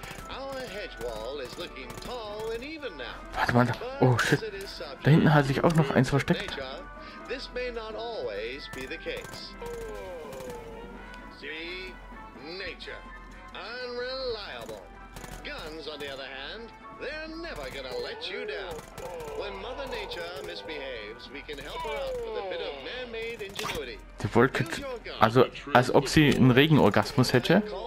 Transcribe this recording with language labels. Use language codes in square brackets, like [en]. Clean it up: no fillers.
[en] Our hedge wall is looking tall and even now. [de] Warte mal, [en] oh shit. [de] Da hinten hat sich auch noch eins versteckt. [en] This may not always be the case. See? Nature. Unreliable. Guns, on the other hand, they're never gonna let you down. When Mother Nature misbehaves, we can help her out with a bit of man-made ingenuity. [de] Die Wolke, also als ob sie einen Regenorgasmus hätte.